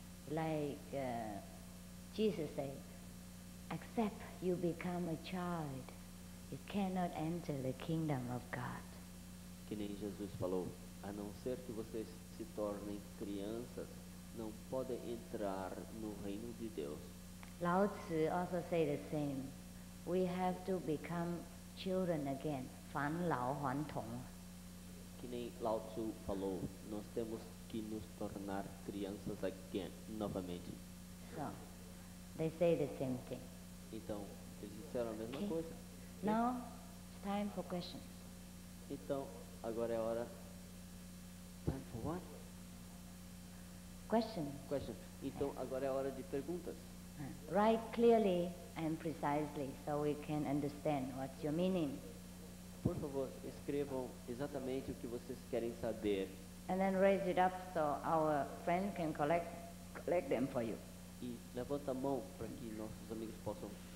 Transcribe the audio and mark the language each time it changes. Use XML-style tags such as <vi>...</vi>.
<en>Like Jesus said, except you become a child, you cannot enter the kingdom of God.</en> <pt>Que nem Jesus falou, a não ser que vocês se tornem crianças, não podem entrar no reino de Deus.</pt> <en>Lao Tzu also say the same. We have to become children again.</en> <zh>Fan Lao Huan Tong.</zh> <pt>Que nem Lao Tzu falou, nós temos que nos tornar crianças again, novamente.</pt> <en>So, they say the same thing.</en> <pt>Então, eles disseram a mesma coisa.</pt> <en>Now, it's time for questions.</en> <pt>Então, agora é hora.</pt> <en>Time for what? Questions.</en> <pt>Então, agora é hora de perguntas.</pt> <en>Write clearly and precisely so we can understand what's your meaning.</en> <pt>Por favor, escrevam exatamente o que vocês querem saber.</pt> <en>And then raise it up so our friend can collect them for you.</en> <pt>E levanta a mão para que nossos amigos possam.</pt>